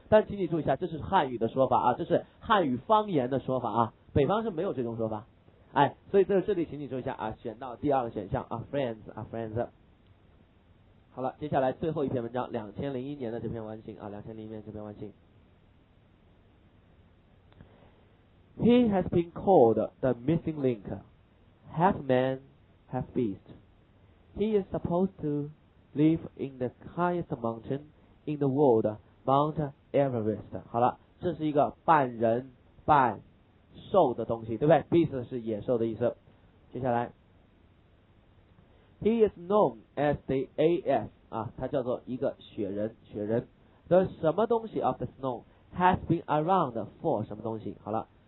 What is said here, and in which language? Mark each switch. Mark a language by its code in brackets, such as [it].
[zh] 但请你注意一下，这是汉语的说法啊，这是汉语方言的说法啊，北方是没有这种说法。哎，所以在这里请你注意一下啊，选到第二个选项啊 ，friends。好了，接下来最后一篇文章，2001年的这篇完形啊，2001年这篇完形。 [en] He has been called the missing link, half man, half beast. He is supposed to live in the highest mountain in the world, Mount Everest. [zh] 好了，这是一个半人半兽的东西，对不对？ Beast 是野兽的意思。接下来 ， He is known as the AS 啊，他叫做一个雪人，雪人。 [en] The 什么东西 of the snow has been around for 什么东西？好了。